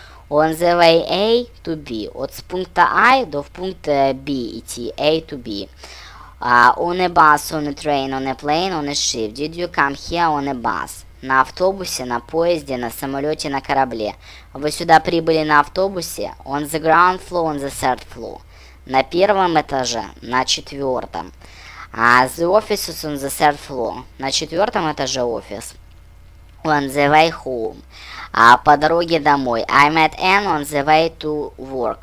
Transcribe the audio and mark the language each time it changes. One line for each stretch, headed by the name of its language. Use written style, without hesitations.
English: On the way A to B –
Russian: от пункта A до пункта B идти,
English: A to B. On a bus, on a train, on a plane, on a ship. Did you come here on a bus?
Russian: На автобусе, на поезде, на самолете, на корабле. Вы сюда прибыли на автобусе?
English: On the ground floor, on the third floor.
Russian: На первом этаже, на четвертом.
English: The office is on the third floor.
Russian: На четвертом этаже офис.
English: On the way home.
Russian: По дороге домой.
English: I met Anne on the way to work.